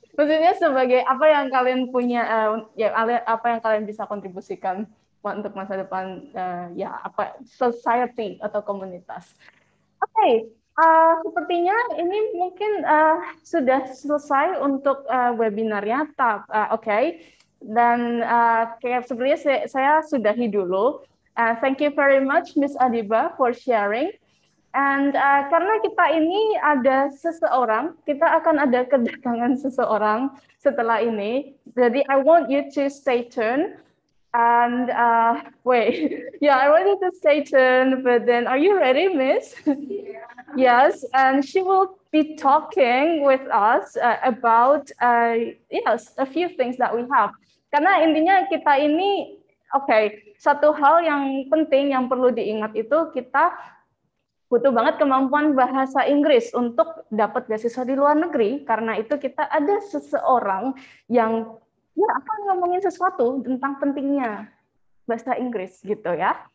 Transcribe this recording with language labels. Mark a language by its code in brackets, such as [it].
[id] Maksudnya sebagai apa yang kalian punya, ya apa yang kalian bisa kontribusikan untuk masa depan, ya apa society atau komunitas. Oke, sepertinya ini mungkin sudah selesai untuk webinarnya, okay. Dan kayak sebenarnya saya sudahi dulu. [en] Thank you very much, Miss Adiba, for sharing. [id] And karena kita ini ada seseorang, kita akan ada kedatangan seseorang setelah ini. [en] Jadi I want you to stay tuned. And wait, yeah, I want you to stay tuned. But then, are you ready, Miss? Yeah. Yes. And she will be talking with us about yes, a few things that we have. [id] Karena intinya kita ini, okay, satu hal yang penting yang perlu diingat itu kita butuh banget kemampuan bahasa Inggris untuk dapat beasiswa di luar negeri. Karena itu kita ada seseorang yang ya akan ngomongin sesuatu tentang pentingnya bahasa Inggris gitu ya.